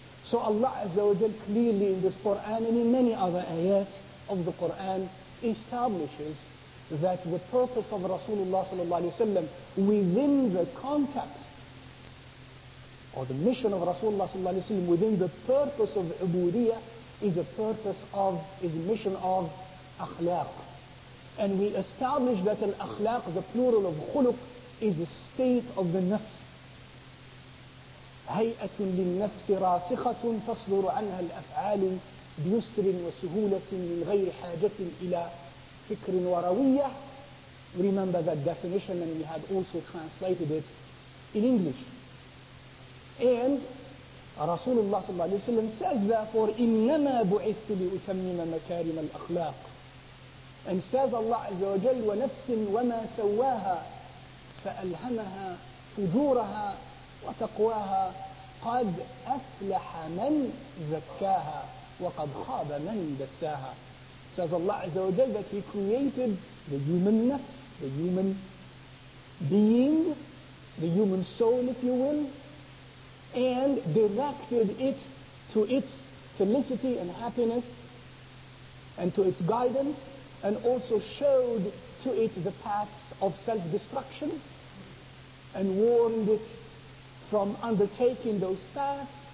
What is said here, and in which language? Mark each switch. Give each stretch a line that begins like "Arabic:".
English: So Allah Azza wa Jal clearly in this Qur'an and in many other ayat of the Qur'an establishes that the purpose of Rasulullah sallallahu alayhi wa sallam within the context, or the mission of Rasulullah sallallahu alayhi wa sallam within the purpose of ubudiyah, is a mission of akhlaq. And we establish that al-akhlaq, the plural of khuluq, is a state of the nafs.
Arabic: هيئة للنفس راسخة تصدر عنها الأفعال بيسر وسهولة من غير حاجة إلى فكر وروية.
English: Remember that definition, and we had also translated it in English. And Rasulullah صلى الله عليه وسلم says therefore
Arabic: إنما بعثت لأتمم مكارم الأخلاق.
English: And says Allah
Arabic: عز وجل ونفس وما سواها فألهمها فجورها وتقواها قد أفلح من زكاها وقد خاب من دساها.
English: Says Allah Azza wa Jal that He created the human nafs, the human being, the human soul, if you will, and directed it to its felicity and happiness and to its guidance, and also showed to it the paths of self-destruction and warned it from undertaking those paths.